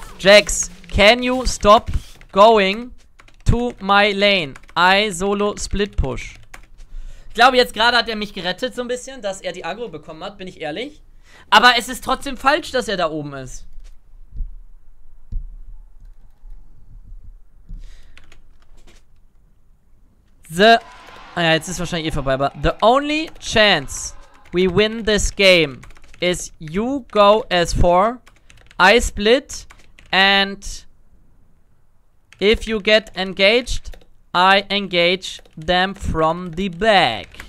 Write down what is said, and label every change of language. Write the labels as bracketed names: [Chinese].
[English] Jax, can you stop going to my lane? I solo split push. [German] Ich glaube, jetzt gerade hat er mich gerettet so ein bisschen, dass er die Aggro bekommen hat, bin ich ehrlich. Aber es ist trotzdem falsch, dass er da oben ist. The... Ah ja, jetzt ist wahrscheinlich eh vorbei, aber... [English] The only chance we win this game is you go as four, I split, and if you get engaged, I engage them from the back.